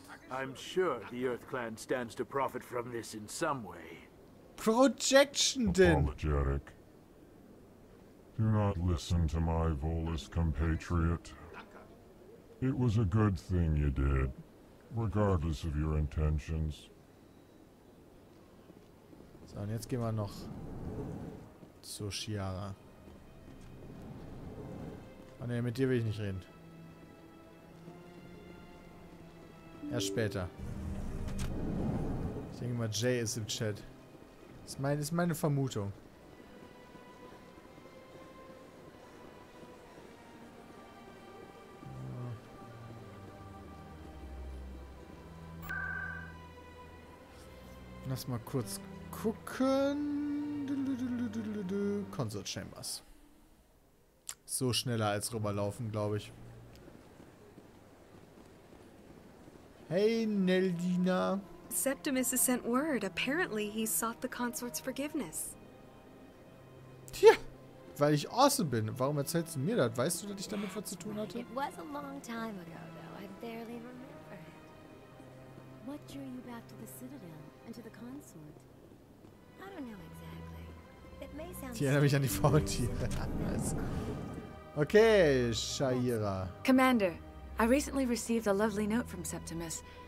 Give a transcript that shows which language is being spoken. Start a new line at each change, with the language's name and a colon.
English: I'm sure the Earth Clan stands to profit from this in some way. Projection, then. Apologetic. Do not listen to my Volus compatriot. It was a good thing you did, regardless of your intentions.
German: So, und jetzt gehen wir noch zu Chiara. Oh ne, mit dir will ich nicht reden. Erst später. Ich denke mal, Jay ist im Chat. Ist meine Vermutung. Lass mal kurz gucken. Consort Chambers. So schneller als rüberlaufen, glaube ich. Hey, Neldina.
English: Septimus has sent word. Apparently, he sought the consort's forgiveness.
German: Tja, weil ich awesome bin. Warum erzählst du mir das? Weißt du, dass ich damit was zu tun hatte?
English: It was a long time ago, though. I barely remember it. What drew you back to the Citadel and to the consort?
German: Ich erinnere mich an die Faultiere. Okay, Shaira.
English: Commander, I recently received a lovely note from Septimus.